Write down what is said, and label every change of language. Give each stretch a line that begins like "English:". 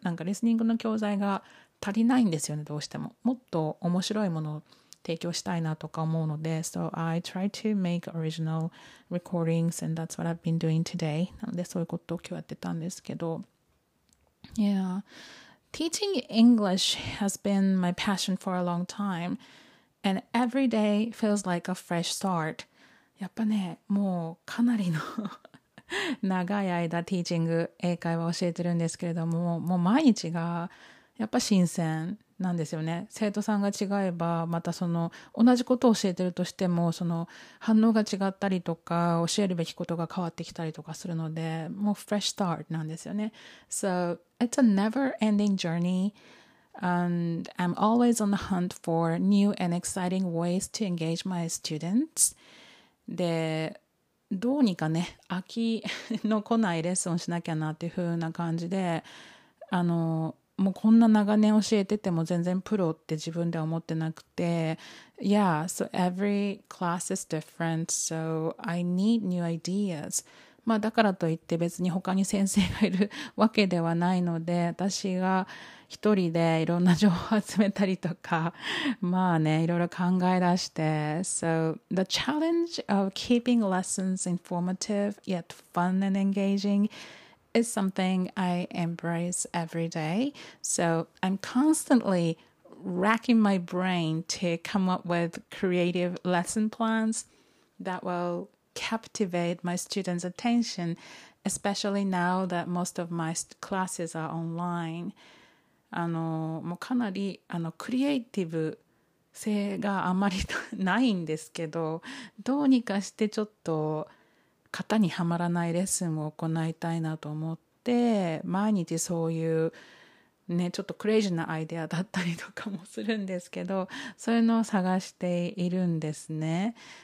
Japanese: なんかリスニングの教材が足りないんですよね、どうしても。もっと面白いものを提供したいなとか思うので、
English: So I try to make original recordings and that's what I've been doing today.
Japanese: なのでそういうことを今日やってたんですけど。
English: Yeah, teaching English has been my passion for a long time. And every day feels like a fresh start.
Japanese: やっぱね、もうかなりの長い間ティーチング英会話を教えてるんですけれども、もう毎日がやっぱ新鮮なんですよね。生徒さんが違えば、またその同じことを教えてるとしても、その反応が違ったりとか、教えるべきことが変わってきたりとかするので、もうフレッシュスタートなんですよね。
English: So it's a never ending journey. And I'm always on the hunt for new and exciting ways to engage my students.
Japanese: で、どうにかね、秋の来ないレッスンをしなきゃなっていう風な感じで、もうこんな長年教えてても全然プロって自分では思ってなくて、
English: Yeah, so every class is different, so I need new ideas.
Japanese: だからといって別に他に先生がいるわけではないので私が一人でいろんな情報を集めたりとかいろいろ考え出して
English: So the challenge of keeping lessons informative yet fun and engaging is something I embrace every day So I'm constantly racking my brain to come up with creative lesson plans that willcaptivate my students' attention, especially now that most of my classes are online.
Japanese: もうかなりクリエイティブ性があまりないんですけど、どうにかしてちょっと型にはまらないレッスンを行いたいなと思って、毎日そういうね、ちょっとクレイジーなアイデアだったりとかもするんですけど、そういうのを探しているんですね。